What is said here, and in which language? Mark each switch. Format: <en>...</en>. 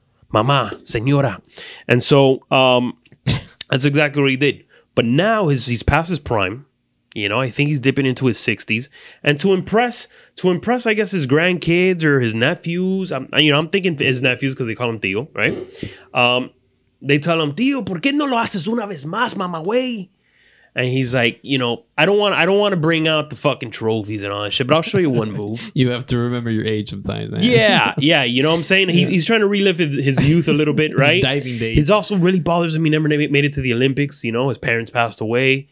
<es>Mama, señora.</es> <en>And so that's exactly what he did. But now he's past his prime. You know, I think he's dipping into his 60s. And to impress, I guess, his grandkids or his nephews. I'm thinking his nephews because they call him Tio, right? They tell him,</en> <es>Tio, ¿por qué no lo haces una vez más, mamá, güey?</es> <en>And he's like, you know, I don't want to bring out the fucking trophies and all that shit, but I'll show you one move. You have to remember your age sometimes, man. Yeah, yeah. You know what I'm saying? Yeah. He's trying to relive his youth a little bit, right? His diving days. It also really bothers him. He never made it to the Olympics. You know, his parents passed away.</en>